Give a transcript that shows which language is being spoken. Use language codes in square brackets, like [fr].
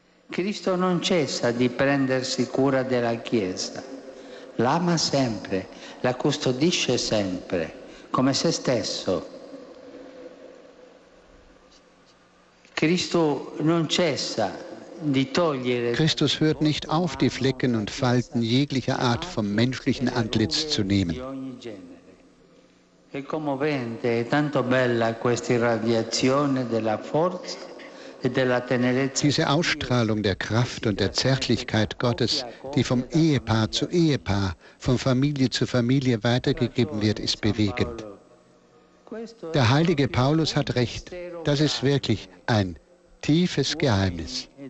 [it] Cristo non cessa di prendersi cura della Chiesa. L'ama sempre, la custodisce sempre. Come se stesso. Cristo non cessa di togliere. [de] Christus hört nicht auf, die Flecken und Falten jeglicher Art vom menschlichen Antlitz zu nehmen. [it] È commovente, è tanto bella questa irradiazione della forza. [de] Diese Ausstrahlung der Kraft und der Zärtlichkeit Gottes, die vom Ehepaar zu Ehepaar, von Familie zu Familie weitergegeben wird, ist bewegend. Der heilige Paulus hat recht. Das ist wirklich ein tiefes Geheimnis.